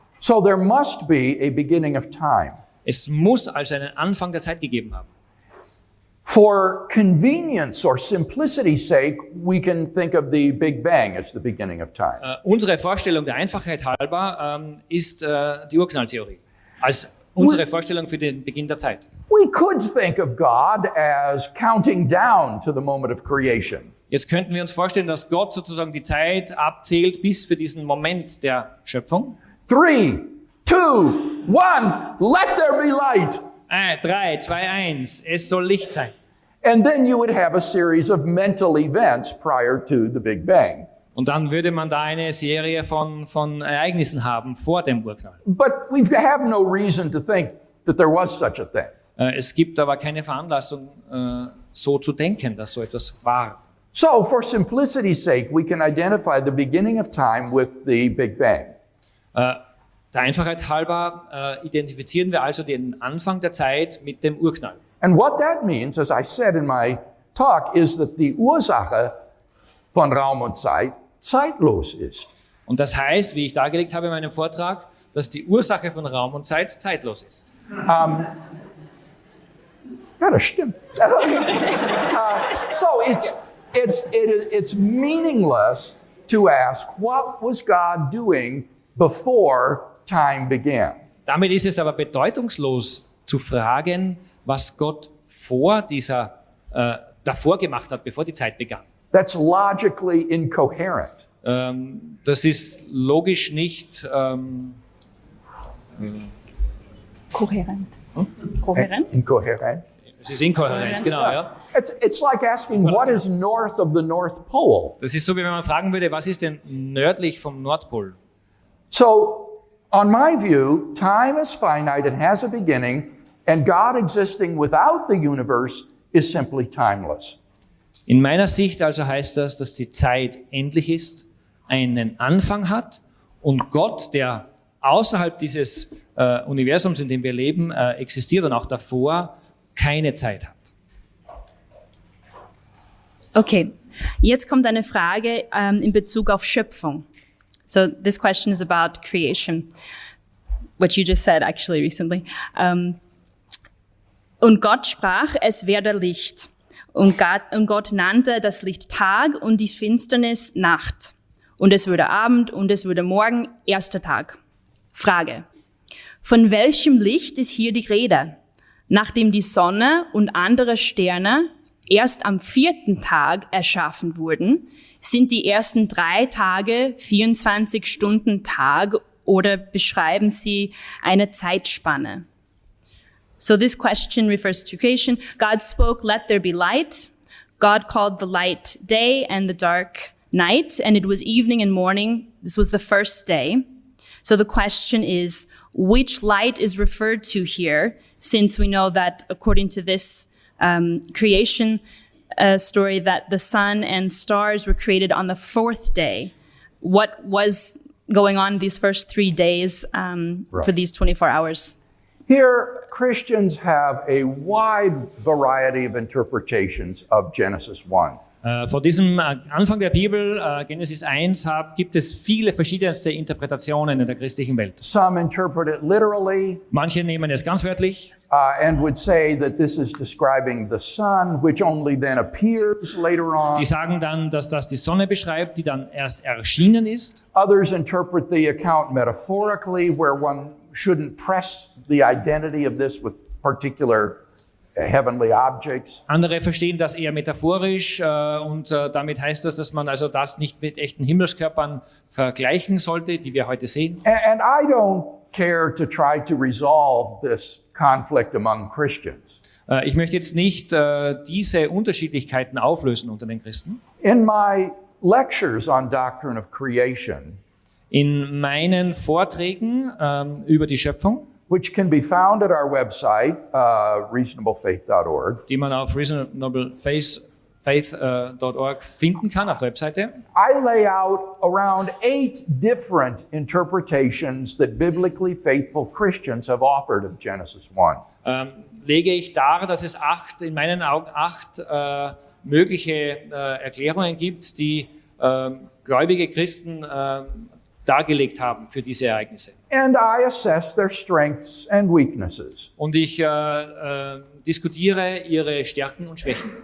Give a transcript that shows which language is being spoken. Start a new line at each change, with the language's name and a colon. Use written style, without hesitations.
English: So there must be a beginning of time.
German: Es muss also einen Anfang der Zeit gegeben haben.
English: For convenience or simplicity's sake, we can think of the Big Bang as the beginning of time.
German: Unsere Vorstellung der Einfachheit halber ist die Urknalltheorie als unsere Vorstellung für den Beginn der Zeit.
English: We could think of God as counting down to the moment of creation.
German: Jetzt könnten wir uns vorstellen, dass Gott sozusagen die Zeit abzählt bis für diesen Moment der Schöpfung.
English: 3, 2, 1, let there be light.
German: 3, 2, 1, es soll Licht sein.
English: And then you would have a series of mental events prior to the Big Bang.
German: Und dann würde man da eine Serie von Ereignissen haben vor dem Urknall.
English: But we have no reason to think that there was such a thing.
German: Es gibt aber keine Veranlassung, so zu denken, dass so etwas war.
English: So, for simplicity's sake, we can identify the beginning of time with the Big Bang.
German: Der Einfachheit halber identifizieren wir also den Anfang der Zeit mit dem Urknall.
English: And what that means, as I said in my talk, is that the
German: Ursache von Raum und Zeit zeitlos ist. Und das heißt, wie ich dargelegt habe in meinem Vortrag, dass die Ursache von Raum und Zeit zeitlos ist. Ja, das stimmt.
English: So, it's meaningless to ask, what was God doing before time began?
German: Damit ist es aber bedeutungslos zu fragen, was Gott vor dieser davor gemacht hat, bevor die Zeit begann.
English: That's logically incoherent.
German: Das ist logisch nicht kohärent. Kohärent? Inkohärent. Es ist inkohärent, genau, ja.
English: It's like asking what is north of the North Pole.
German: Das ist so wie wenn man fragen würde, was ist denn nördlich vom Nordpol?
English: So, on my view, time is finite, it has a beginning, and God existing without the universe is simply timeless.
German: In meiner Sicht also heißt das, dass die Zeit endlich ist, einen Anfang hat und Gott, der außerhalb dieses Universums, in dem wir leben, existiert und auch davor keine Zeit hat. Okay, jetzt kommt eine Frage in Bezug auf Schöpfung.
English: So this question is about creation, what you just said actually recently.
German: Und Gott sprach, es werde Licht. Und Gott nannte das Licht Tag und die Finsternis Nacht. Und es wurde Abend und es wurde Morgen, erster Tag. Frage. Von welchem Licht ist hier die Rede? Nachdem die Sonne und andere Sterne erst am vierten Tag erschaffen wurden, sind die ersten drei Tage 24 Stunden Tag oder beschreiben sie eine Zeitspanne?
English: So this question refers to creation. God spoke, let there be light. God called the light day and the dark night, and it was evening and morning. This was the first day. So the question is, which light is referred to here, since we know that according to this creation story that the sun and stars were created on the fourth day. What was going on these first 3 days for these 24 hours? Here, Christians have a wide variety of interpretations of Genesis 1.
German: Vor diesem Anfang der Bibel, Genesis 1, gibt es viele verschiedenste Interpretationen in der christlichen Welt.
English: Some interpret it literally.
German: Manche nehmen es ganz wörtlich.
English: And would say that this is describing the sun, which only then appears later on.
German: Sie sagen dann, dass das die Sonne beschreibt, die dann erst erschienen ist.
English: Others interpret the account metaphorically, where one shouldn't press the identity of this with particular heavenly objects.
German: Andere verstehen das eher metaphorisch und damit heißt das, dass man also das nicht mit echten Himmelskörpern vergleichen sollte, die wir heute sehen.
English: And I don't care to try to resolve this conflict among Christians.
German: Ich möchte jetzt nicht diese Unterschiedlichkeiten auflösen unter den Christen.
English: In my lectures on doctrine of creation,
German: in meinen Vorträgen über die Schöpfung,
English: which can be found at our website, reasonablefaith.org,
German: die man auf reasonablefaith.org finden kann, auf der Webseite,
English: I lay out around 8 different interpretations that biblically faithful Christians have offered of Genesis 1.
German: Lege ich dar, dass es 8, in meinen Augen 8 mögliche Erklärungen gibt, die gläubige Christen dargelegt haben für diese Ereignisse.
English: And I assess their strengths and weaknesses.
German: Und ich diskutiere ihre Stärken und Schwächen.